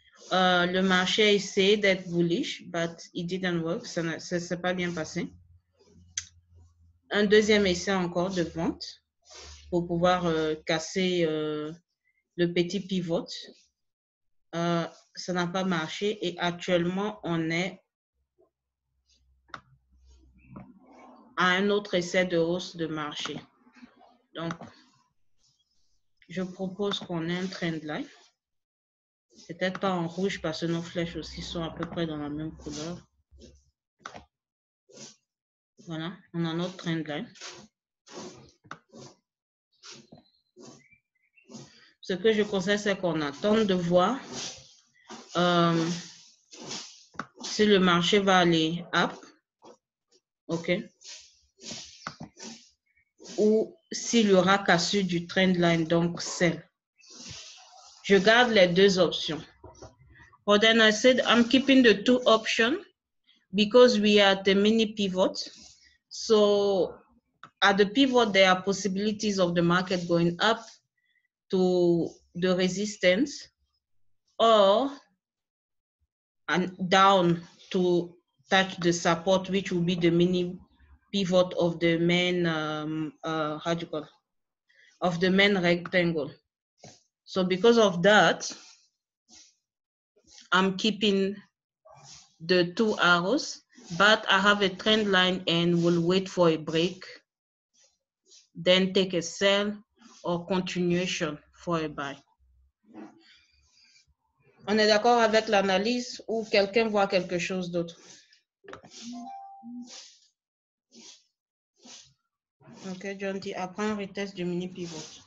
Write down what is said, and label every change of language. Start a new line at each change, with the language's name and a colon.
French: Le marché a essayé d'être bullish,
English: but it didn't work.
French: Ça ne s'est pas bien passé. Un deuxième essai encore de vente pour pouvoir casser le petit pivot. Ça n'a pas marché et actuellement, on est à un autre essai de hausse de marché. Donc, je propose qu'on ait un trend line. Peut-être pas en rouge parce que nos flèches aussi sont à peu près dans la même couleur. Voilà, on a notre trend line. Ce que je conseille, c'est qu'on attende de voir si le marché va aller up. OK. Ou s'il y aura cassure du trend line, donc sell. Je garde les deux options.
English: But then I said, I'm keeping the two options because we are at the mini pivot. So at the pivot, there are possibilities of the market going up to the resistance or and down to touch the support, which will be the mini pivot of the main, how do you call it? Of the main rectangle. So because of that, I'm keeping the two arrows, but I have a trend line and will wait for a break, then take a sell or continuation for a buy.
French: On est d'accord avec l'analyse ou quelqu'un voit quelque chose d'autre? OK, John dit, après un retest du mini pivot.